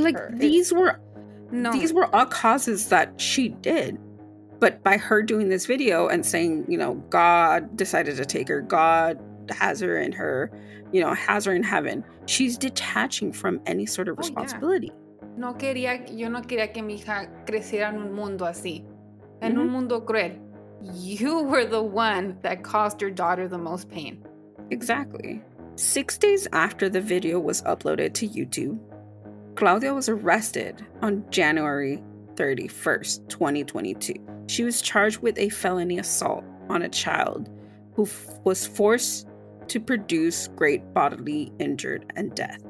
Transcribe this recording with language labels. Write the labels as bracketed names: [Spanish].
[English] like, her. Like, these were... No. These were all causes that she did. But by her doing this video and saying, you know, God decided to take her, God has her in her, you know, has her in heaven, she's detaching from any sort of responsibility. [Spanish] No quería, yo no quería que mi hija creciera en un mundo así. En un mundo cruel. [English] You were the one that caused your daughter the most pain. Exactly. 6 days after the video was uploaded to YouTube, Claudia was arrested on January 31st, 2022. She was charged with a felony assault on a child who was forced to produce great bodily injury and death.